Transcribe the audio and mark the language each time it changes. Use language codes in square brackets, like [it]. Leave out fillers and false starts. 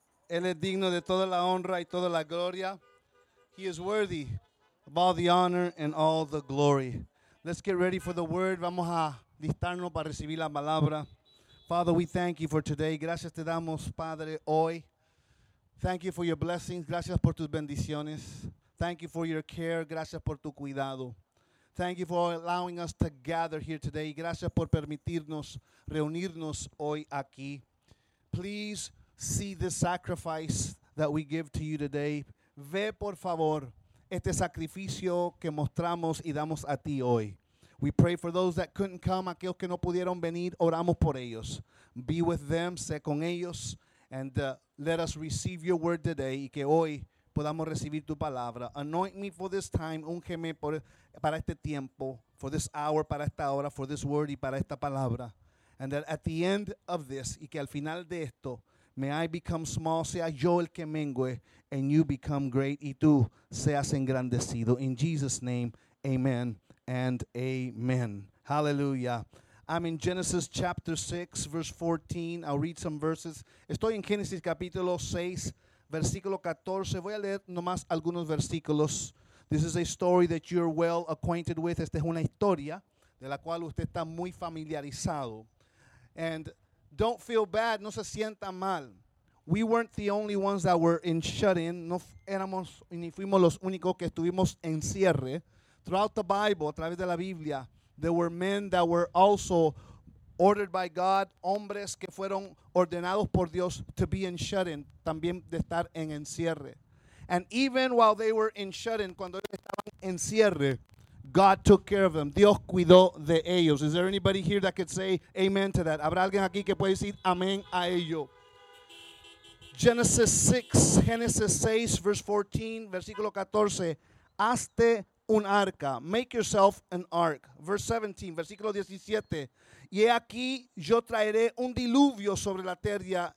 [es] Él es digno de toda la honra y toda la gloria. [en] He is worthy of all the honor and all the glory. Let's get ready for the word. [es] Vamos a listarnos para recibir la palabra. [en] Father, we thank you for today. [es] Gracias te damos, Padre, hoy. [en] Thank you for your blessings. [es] Gracias por tus bendiciones. [en] Thank you for your care. [es] Gracias por tu cuidado. [en] Thank you for allowing us to gather here today. [es] Gracias por permitirnos reunirnos hoy aquí. [en] Please see the sacrifice that we give to you today. [es] Ve, por favor, este sacrificio que mostramos y damos a ti hoy. [en] We pray for those that couldn't come, [es] aquellos que no pudieron venir, oramos por ellos. [en] Be with them, [es] sé con ellos, [en] and let us receive your word today, [es] y que hoy podamos recibir tu palabra. [en] Anoint me for this time, [es] úngeme para este tiempo, [en] for this hour, [es] para esta hora, [en] for this word [es] y para esta palabra. [en] And that at the end of this, [es] y que al final de esto, [en] may I become small, [es] sea yo el que mengue, [en] and you become great, [es] y tú seas engrandecido. [en] In Jesus' name, amen and amen. Hallelujah. I'm in Genesis chapter 6, verse 14. I'll read some verses. [es] Estoy en Génesis capítulo 6, versículo 14. Voy a leer nomás algunos versículos. [en] This is a story that you're well acquainted with. [es] Esta es una historia de la cual usted está muy familiarizado. [en] And don't feel bad, [es] no se sienta mal. [en] We weren't the only ones that were in shut-in. [es] No éramos ni fuimos los únicos que estuvimos en cierre. [en] Throughout the Bible, [es] a través de la Biblia, [en] there were men that were also ordered by God, [es] hombres que fueron ordenados por Dios [en] to be in shut-in, [es] también de estar en encierre. [en] And even while they were in shut-in, [es] cuando ellos estaban en cierre, [en] God took care of them. [es] Dios cuidó de ellos. [en] Is there anybody here that could say amen to that? [es] ¿Habrá alguien aquí que puede decir amén a ello? [en] Genesis 6, verse 14, [es] versículo 14. Hazte un arca. [en] Make yourself an ark. Verse 17, [es] versículo 17. Y aquí yo traeré un diluvio sobre la tierra.